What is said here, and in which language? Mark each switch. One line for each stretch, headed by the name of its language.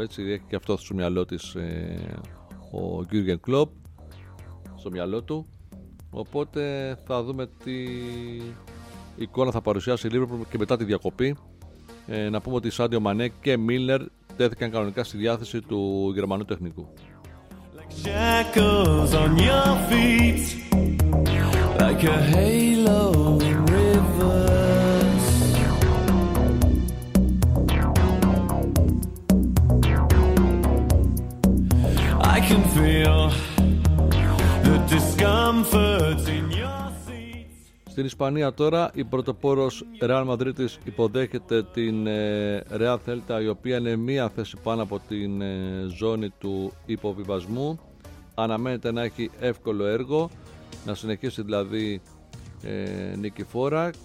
Greek: Έτσι έχει και αυτό στο μυαλό της ο Γιούργεν Κλοπ, στο μυαλό του. Οπότε θα δούμε τι εικόνα θα παρουσιάσει η Λίβερπουλ και μετά τη διακοπή. Να πούμε ότι Σάντιο Μανέ και Μίλνερ τέθηκαν κανονικά στη διάθεση του Γερμανού τεχνικού.
English: Shackles on your feet, like a halo in rivers. I can feel the discomfort in your seats.
Greek: Στην Ισπανία τώρα, η πρωτοπόρος Real Madrid υποδέχεται την Real Celta, η οποία είναι μία θέση πάνω από την ζώνη του υποβιβασμού. Αναμένεται να έχει εύκολο έργο, να συνεχίσει δηλαδή νικηφόρα.